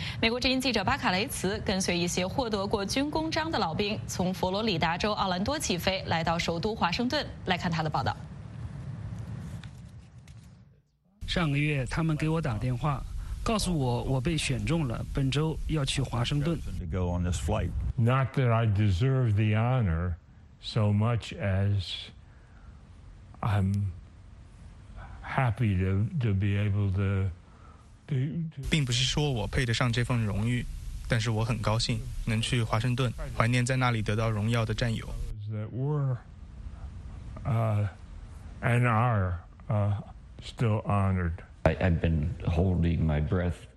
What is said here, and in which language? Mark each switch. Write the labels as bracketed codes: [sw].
[zh] 美国之音记者巴卡雷茨跟随一些获得过军功章的老兵从佛罗里达州奥兰多起飞来到首都华盛顿，来看他的报道。上个月他们给我打电话告诉我，我被选中了，本周要去华盛顿。 [en] Not that I deserve the honor so much as I'm happy to be able to. [zh] 并不是说我配得上这份荣誉，但是我很高兴能去华盛顿，怀念在那里得到荣耀的战友。 [en] That were and are still honored. I've been holding my breath.